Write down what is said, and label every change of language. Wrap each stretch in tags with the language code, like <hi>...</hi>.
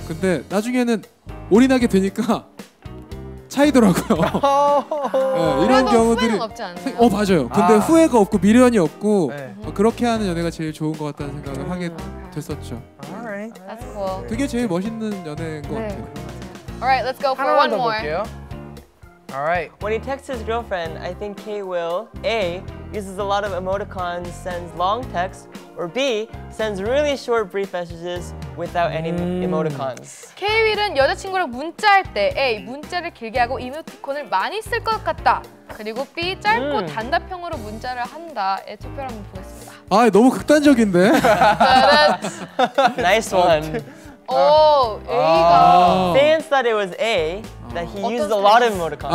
<ko>근데 나중에는 올인하게 되니까 차이더라고요. 네, 이런 경우들이 후회는 없지 않나요? 맞아요. 근데 아. 후회가 없고 미련이 없고 네. 그렇게 하는 연애가 제일 좋은 것 같다는 생각을 하게 됐었죠.</ko> <en>Alright, that's cool.</en> <ko>그게 제일 멋있는 연애인 것 네. 같아요.</ko> <en>Alright, let's go for one more.</en> <ko>볼게요.</ko> <en>Alright. When he texts his girlfriend, I think K.Will A. uses a lot of emoticons, sends long texts, or B. sends really short brief messages without any emoticons.</en> <ko>K.Will은 여자친구랑 문자할 때 A. 문자를 길게 하고 이모티콘을 많이 쓸 것 같다. 그리고 B. 짧고 단답형으로 문자를 한다의 투표를 한번 보겠습니다. 아, 너무 극단적인데?</ko> <en>Nice one.</en> <ko>A가</ko> <en>Fans thought it was A. That he used a lot of emoticons.</en>